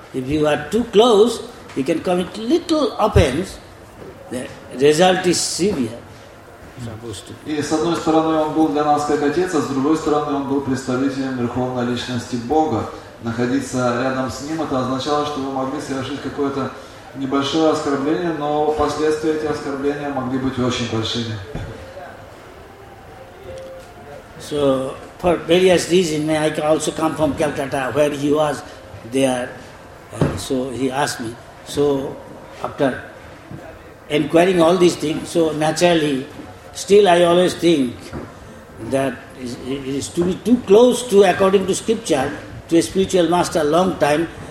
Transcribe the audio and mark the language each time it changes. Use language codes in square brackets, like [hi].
[en] If you are too close, you can commit little offense. The result is severe. [ru] И с одной стороны он был для нас как отец, а с другой стороны он был представителем Верховной Личности Бога. Находиться рядом с ним, это означало, что вы могли совершить какое-то небольшое оскорбление, но последствия этих оскорблений могли быть очень большими. [en] So, for various reasons, I also come from Calcutta, where he was there. So, he asked me. So, after inquiring all these things, so naturally, still I always think that it is to be too close to, according to scripture, to a spiritual master long time.